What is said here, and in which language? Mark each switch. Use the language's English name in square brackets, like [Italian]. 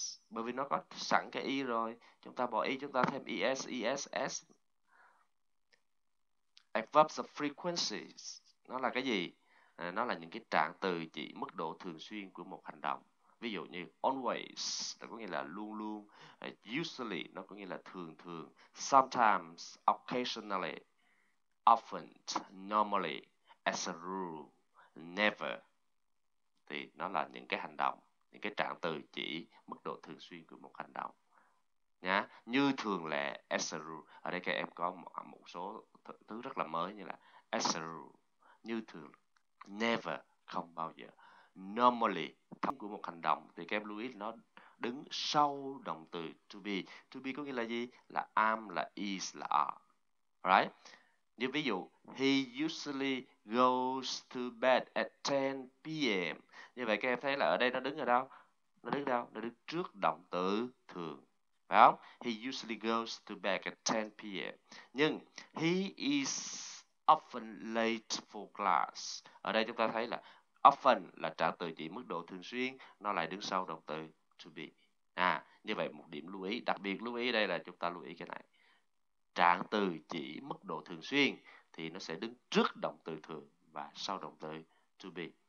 [Vietnamese] Bởi vì nó có sẵn cái y rồi, chúng ta bỏ y, chúng ta thêm es, es, s. [English] Adverbs of frequency, [Vietnamese] nó là cái gì? Nó là những cái trạng từ chỉ mức độ thường xuyên của một hành động. Ví dụ như always, nó có nghĩa là luôn luôn. Usually, nó có nghĩa là thường thường. [English] Sometimes, occasionally, often, normally, as a rule, never. [Vietnamese] Thì nó là những cái hành động, những cái trạng từ chỉ mức độ thường xuyên của một hành động. Nhá. Như thường lệ, [English] as a rule. [Vietnamese] Ở đây các em có một số thứ rất là mới như là as a rule, như thường, never, không bao giờ. Normally, thông của một hành động thì các em lưu ý nó đứng sau động từ to be. To be có nghĩa là gì? Là am, là is, là are. [English] Right? [Vietnamese] Như ví dụ, [English] he usually goes to bed at 10 p.m. [Vietnamese] Như vậy các em thấy là ở đây nó đứng ở đâu? Nó đứng ở đâu? Nó đứng trước động từ thường. Phải không? [English] He usually goes to bed at 10 p.m. Nhưng, he is often late for class. [Vietnamese] Ở đây chúng ta thấy là often là trạng từ chỉ mức độ thường xuyên, nó lại đứng sau động từ to be. Như vậy một điểm lưu ý, đặc biệt lưu ý đây là chúng ta lưu ý cái này. Trạng từ chỉ mức độ thường xuyên thì nó sẽ đứng trước động từ thường và sau động từ to be.